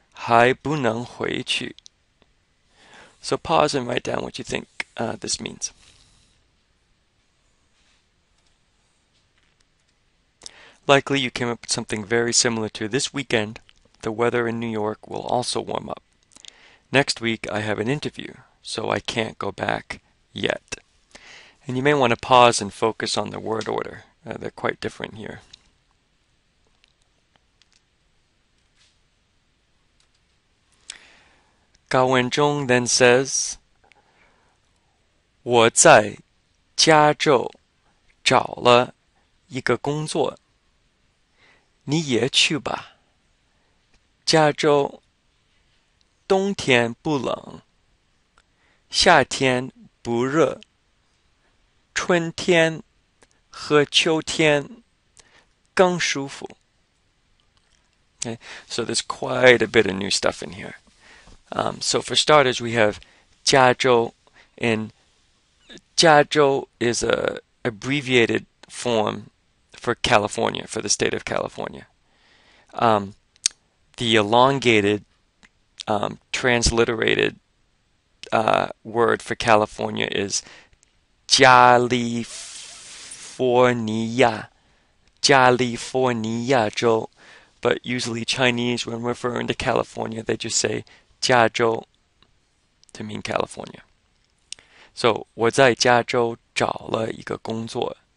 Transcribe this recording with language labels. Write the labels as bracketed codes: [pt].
[zh] 这个周末纽约也会暖和一点儿。我下个星期有一个面试，还不能回去. [en] So pause and write down what you think this means. Likely you came up with something very similar to this weekend. The weather in New York will also warm up. Next week I have an interview, so I can't go back yet. And you may want to pause and focus on the word order. They're quite different here. Gao Wenzhong then says, [zh] 我在加州找了一个工作，你也去吧。加州冬天不冷，夏天不热，春天和秋天更舒服。 [en] Okay, so there's quite a bit of new stuff in here. So for starters, we have 加州, and 加州 is a abbreviated form for California, for the state of California. The elongated, transliterated word for California is California, California 州. But usually Chinese, when referring to California, they just say 加州 to mean California. [zh] So 我在加州找了一个工作.